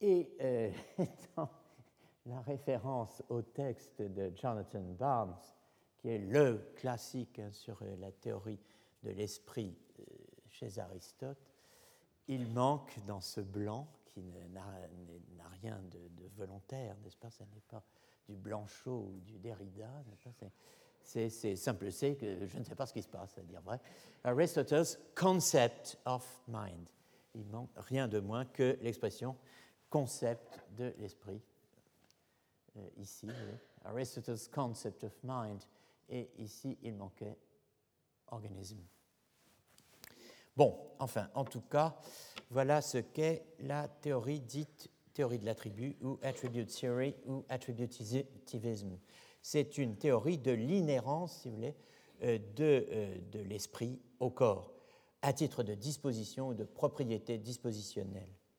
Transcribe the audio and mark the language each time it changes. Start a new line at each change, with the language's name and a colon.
French: Et dans la référence au texte de Jonathan Barnes, qui est le classique sur la théorie de l'esprit chez Aristote, il manque dans ce blanc, qui n'a rien de volontaire, n'est-ce pas ? Ça n'est pas du Blanchot ou du Derrida, n'est-ce pas ? C'est simple, c'est que je ne sais pas ce qui se passe, à dire vrai.
English: Aristotle's concept of mind.
French: Il manque rien de moins que l'expression concept de l'esprit.
English: Ici, Aristotle's concept of mind.
French: Et ici, il manquait organisme. Bon, enfin, en tout cas, voilà ce qu'est la théorie dite théorie de l'attribut ou attribute theory ou attributivism. C'est une théorie de l'inhérence, si vous voulez, de l'esprit au corps, à titre de disposition ou de propriété dispositionnelle.